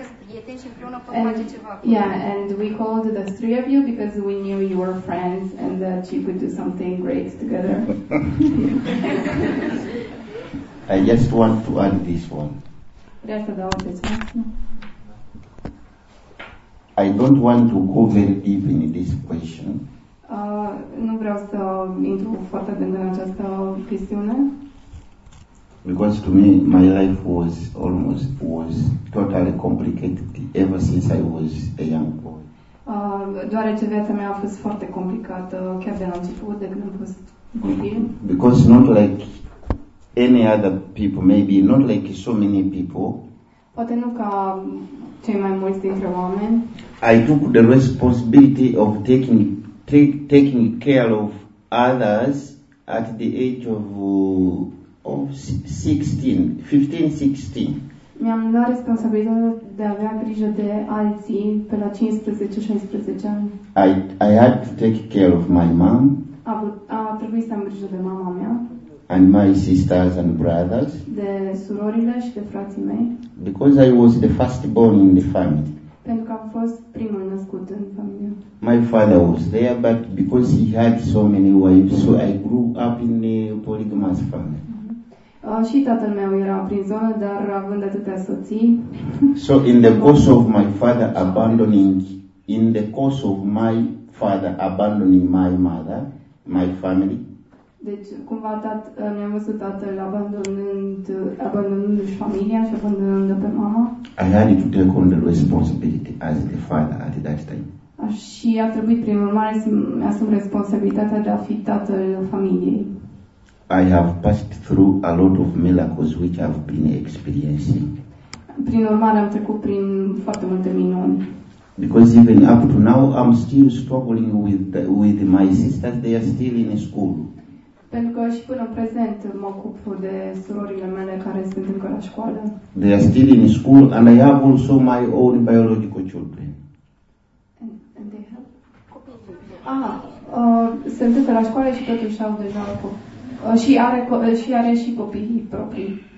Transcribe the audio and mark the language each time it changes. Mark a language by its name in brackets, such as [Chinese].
[English] And we called the three of you because we knew you were friends and that you could do something great together. I just want to add this one. I don't want to go very deep in this question. [Romanian] Nu vreau să intru foarte adânc în această chestiune. [English] Because to me, my life was totally complicated ever since I was a young boy. [Romanian] Deoarece viața mea a fost foarte complicată chiar de la început, de când am fost copil. [English] Because not like any other people, maybe not like so many people. [Romanian] Poate nu ca cei mai mulți dintre oameni. [English] I took the responsibility of taking care of others at the age of 16. [Romanian] Mi-am luat responsabilitatea de a avea grijă de alții pe la 15-16 ani. [English] I had to take care of my mom. [Romanian] A trebuit să am grijă de mama mea. [English] And my sisters and brothers. [Romanian] De surorile și de frații mei. [English] Because I was the first born in the family. [Romanian] Pentru că am fost primul născut în familie. [English] My father was there, but because he had so many wives, so I grew up in a polygamous family. [Romanian] Și tatăl meu era prin zonă, dar având atâtea soții. [English] So in the course of my father abandoning, in the course of my father abandoning my mother, my family. [Romanian] Deci cumva mi-am văzut tatăl abandonându-și familia și abandonându-o pe mama. [English] I had to take on the responsibility as the father at that time. [Romanian] Și a trebuit prin urmare să-mi asum responsabilitatea de a fi tatăl familiei. [English] I have passed through a lot of miracles which I've been experiencing. [Romanian] Prin urmare, am trecut prin foarte multe minuni. [English] Because even up to now, I'm still struggling with my sisters. They are still in school. [Romanian] Pentru că și până în prezent mă ocup de surorile mele care sunt încă la școală. [English] They are still in school and I have also my own biological children. And they have [Romanian] copii. Sunt încă la școală și totuși au deja copii. Și are și copiii proprii.